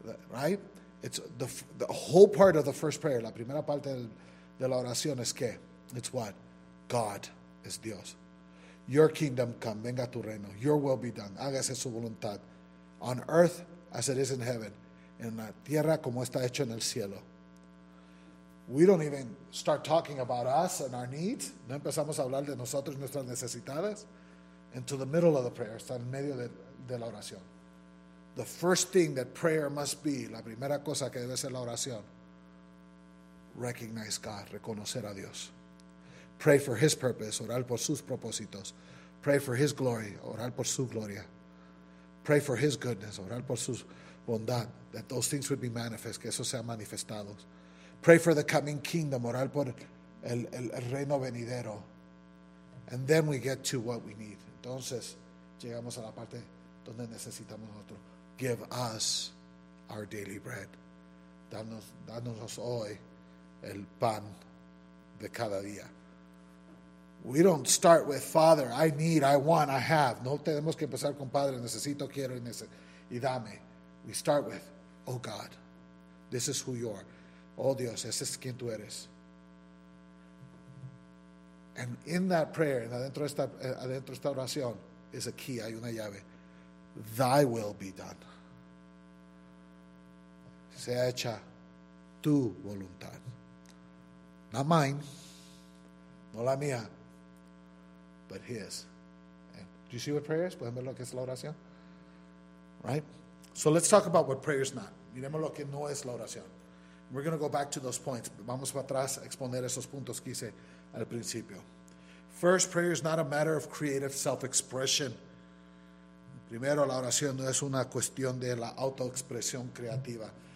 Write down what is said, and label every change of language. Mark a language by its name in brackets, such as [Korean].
[English] Right? It's the whole part of the first prayer, [Spanish] la primera parte de la oración es que, [English] it's what? God is Dios. Your kingdom come, [Spanish] venga tu reino. [English] Your will be done, [Spanish] hágase su voluntad. [English] On earth as it is in heaven, [Spanish] en la tierra como está hecho en el cielo. [English] We don't even start talking about us and our needs. [Spanish] No empezamos a hablar de nosotros, nuestras necesidades. [English] Into the middle of the prayer, [Spanish] está en medio de la oración. [English] The first thing that prayer must be, [Spanish] la primera cosa que debe ser la oración, [English] recognize God, [Spanish] reconocer a Dios. [English] Pray for his purpose, [Spanish] orar por sus propósitos. [English] Pray for his glory, [Spanish] orar por su gloria. [English] Pray for his goodness, [Spanish] orar por su bondad, [English] that those things would be manifest, [Spanish] que eso sea manifestado. [English] Pray for the coming kingdom, [Spanish] orar por el reino venidero. [English] And then we get to what we need. Entonces, llegamos a la parte donde necesitamos otro. Give us our daily bread. [Spanish] Danos hoy el pan de cada día. [English] We don't start with Father, I need, I want, I have. [Spanish] No tenemos que empezar con Padre, necesito, quiero y dame. [English] We start with, oh God, this is who you are. [Spanish] Oh Dios, ese es quien tú eres. [English] And in that prayer, [Spanish] adentro esta oración, [English] is a key, [Spanish] hay una llave. [English] Thy will be done. [Spanish] Sea hecha tu voluntad. [English] Not mine, [Spanish] no la mía, [English] but his. And do you see what prayer is? [Spanish] ¿Pueden ver lo que es la oración? Right? [English] So let's talk about what prayer is not. [Spanish] Miremos lo que no es la oración. [English] We're going to go back to those points. [Spanish] Vamos para atrás a exponer esos puntos que hice al principio. [English] First, prayer is not a matter of creative self-expression. [Spanish] Primero, la oración no es una cuestión de la autoexpresión creativa.